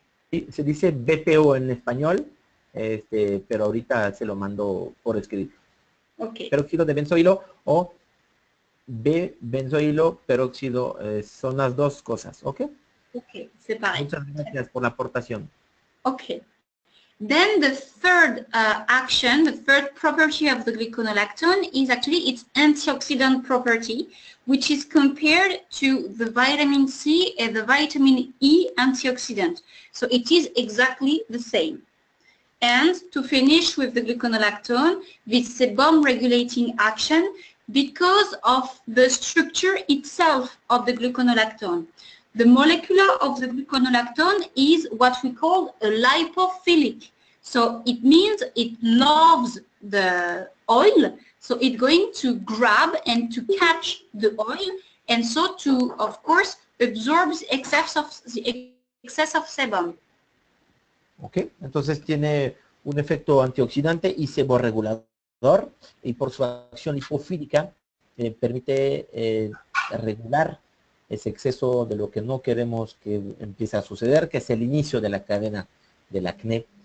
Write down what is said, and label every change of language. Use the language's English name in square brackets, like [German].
[Spanish] Sí, se dice BPO en español, pero ahorita se lo mando por escrito. [English] Okay. [Spanish] Peróxido de benzoilo o benzoilo peróxido, son las dos cosas. ¿Ok? [English] Okay, separate. [Spanish] Muchas gracias por la aportación. [English] Okay. Then the third action, the third property of the gluconolactone is actually its antioxidant property, which is compared to the vitamin C and the vitamin E antioxidant. So it is exactly the same. And to finish with the gluconolactone, this sebum regulating action because of the structure itself of the gluconolactone. The molecule of the gluconolactone is what we call a lipophilic. So it means it loves the oil, so it's going to grab and to catch the oil, and so to, of course, absorb the excess of sebum. [Spanish] Okay, entonces tiene un efecto antioxidante y seborregulador, y por su acción lipofílica permite regular ese exceso de lo que no queremos que empiece a suceder, que es el inicio de la cadena del acné.